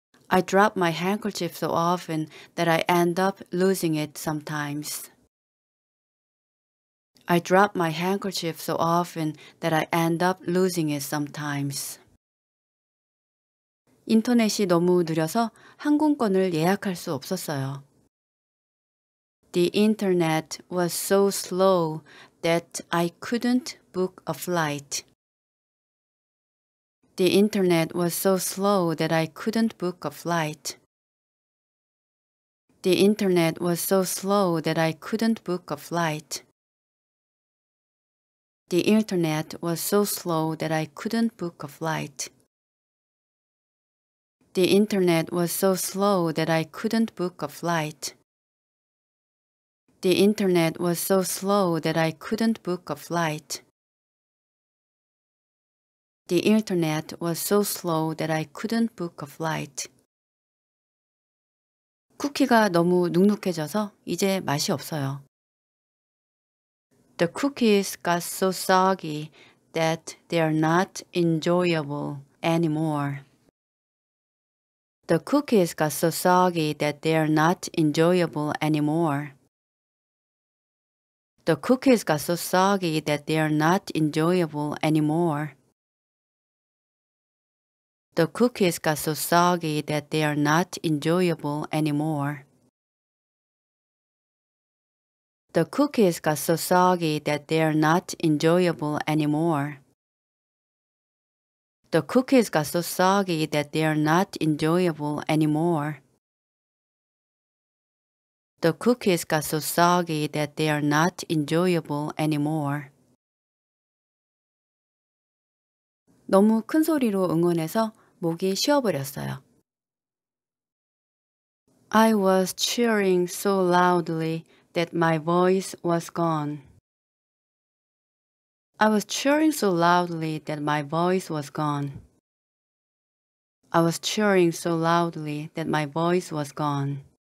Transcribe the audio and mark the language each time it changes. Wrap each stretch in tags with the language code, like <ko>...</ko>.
<en>I drop my handkerchief so often that I end up losing it sometimes. I drop my handkerchief so often that I end up losing it sometimes.</en> <ko>인터넷이 너무 느려서 항공권을 예약할 수 없었어요.</ko> <en>The internet was so slow that I couldn't book a flight. The internet was so slow that I couldn't book a flight. The internet was so slow that I couldn't book a flight. The internet was so slow that I couldn't book a flight. The internet was so slow that I couldn't book a flight. The internet was so slow that I couldn't book a flight. The internet was so slow that I couldn't book a flight.</en> <ko>쿠키가 너무 눅눅해져서 이제 맛이 없어요.</ko> <en>The cookies got so soggy that they are not enjoyable anymore. The cookies got so soggy that they are not enjoyable anymore. The cookies got so soggy that they are not enjoyable anymore. The cookies got so soggy that they are not enjoyable anymore. The cookies got so soggy that they are not enjoyable anymore. The cookies got so soggy that they are not enjoyable anymore. The cookies got so soggy that they are not enjoyable anymore.</en> <ko>너무 큰 소리로 응원해서 목이 쉬어버렸어요.</ko> <en>I was cheering so loudly that my voice was gone. I was cheering so loudly that my voice was gone. I was cheering so loudly that my voice was gone.</en>